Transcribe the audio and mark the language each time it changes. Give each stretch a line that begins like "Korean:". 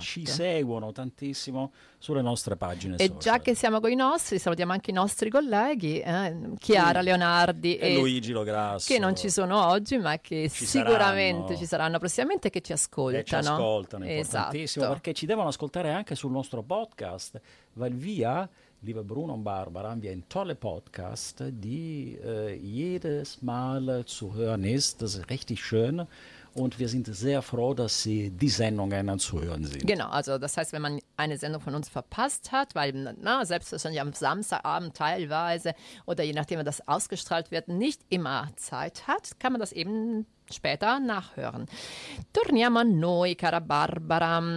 Italian: Ci seguono tantissimo sulle nostre pagine e social. E già che siamo con i nostri, salutiamo anche i nostri colleghi, Chiara Leonardi e Luigi Lograsso, che non ci sono oggi, ma che ci saranno prossimamente, che ci ascoltano. E ci ascoltano, è importantissimo. Esatto. Perché ci devono ascoltare anche sul nostro podcast.
German: Va via, liebe Bruno und Barbara, via in tolle Podcast, die jedes Mal zu hören ist. Das ist richtig schön. Und wir sind sehr froh, dass Sie die Sendungen anzuhören sind. Genau, also das heißt, wenn man eine Sendung von uns verpasst hat, weil na, selbstverständlich am Samstagabend teilweise oder je nachdem, wie das ausgestrahlt wird, nicht immer Zeit hat, kann man das eben später nachhören.
Italian: Torniamo a noi, cara Barbara.